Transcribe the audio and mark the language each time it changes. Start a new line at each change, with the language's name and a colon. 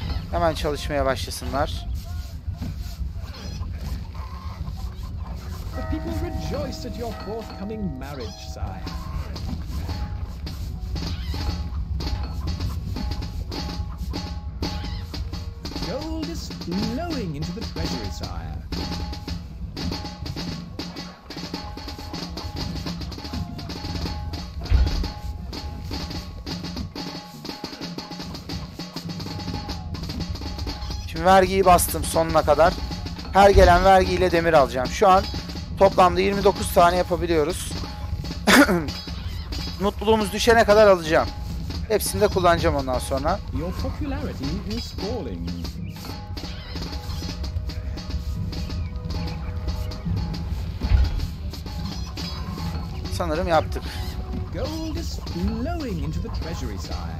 Turkish: Hemen çalışmaya başlasınlar.
English: People rejoice at your forthcoming marriage, sire. Gold is flowing into the treasury, sire.
Turkish: Şimdi vergiyi bastım sonuna kadar. Her gelen vergiyle demir alacağım. Şu an toplamda 29 tane yapabiliyoruz. Mutluluğumuz düşene kadar alacağım. Hepsini de kullanacağım ondan sonra.
English: Your popularity is falling.
Turkish: Sanırım yaptık.
English: Gold is flowing into the treasury, sire.